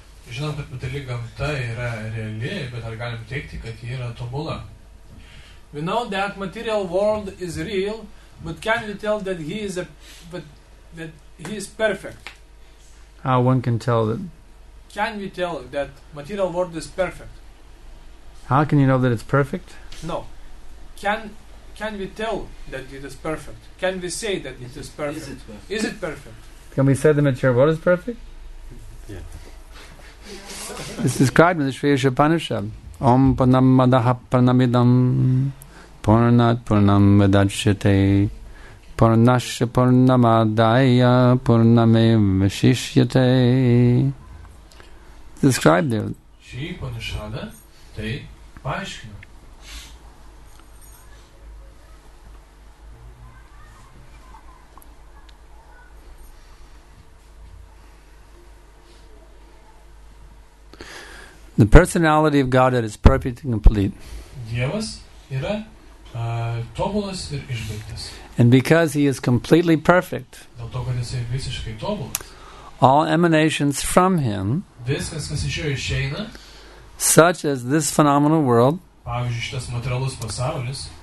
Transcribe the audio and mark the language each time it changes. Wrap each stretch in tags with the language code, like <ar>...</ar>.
<lt>Žinom, kad materiali gamta yra reali, bet ar galim teikti, kad ji yra tobula?</lt> <en>We know that material world is real, but can we tell that he is a, but that he is perfect. How one can tell that? Can we tell that material world is perfect? How can you know that it's perfect? No. Can we tell that it is perfect? Can we say that it is perfect? Is it perfect? Is it perfect? Can we say the material world is perfect? Yeah. It's described in the Shriya Shapanishad.</en> <sa>Om Purnam Madaha Purnamidam Purnat Purnam Vedachyate Purnasya Purnamadaya Purname Vashishyate.</sa> <en>Describe there. Shri Upanishada Te Paishkina. The personality of Godhead is perfect and complete.</en> <lt>Dievas yra tobulas ir išbaigtas.</lt> <en>And because he is completely perfect,</en> <lt>dėl to, kad jis visiškai tobulas,</lt> <en>all emanations from him,</en> <lt>viskas, kas iš jo išeina,</lt> <en>such as this phenomenal world,</en> <lt>pavyzdžiui, šitas materialus pasaulis,</lt>